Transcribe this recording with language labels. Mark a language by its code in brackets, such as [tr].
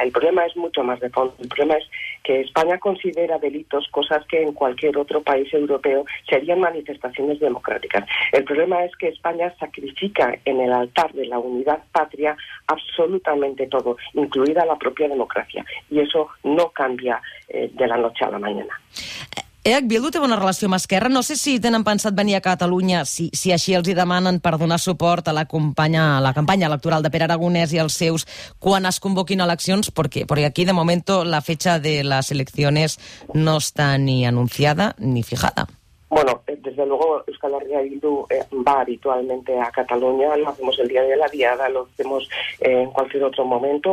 [es] El problema es mucho más de fondo. El problema es que España considera delitos cosas que en cualquier otro país europeo serían manifestaciones democráticas. El problema es que España sacrifica en el altar de la unidad patria absolutamente todo, incluida la propia democracia. Y eso no cambia de la noche a la mañana. [ca] EH Bildu té bona relació amb Esquerra. No sé si tenen pensat venir a Catalunya, si així els hi demanen per donar suport a la campanya electoral de Pere Aragonès i els seus quan es convoquin eleccions, perquè aquí, de moment, la fecha de les eleccions no està ni anunciada ni fijada. [es] Bueno, desde luego, Euskal Herria Bildu va habitualmente a Cataluña, lo hacemos el día de la diada, lo hacemos en cualquier otro momento.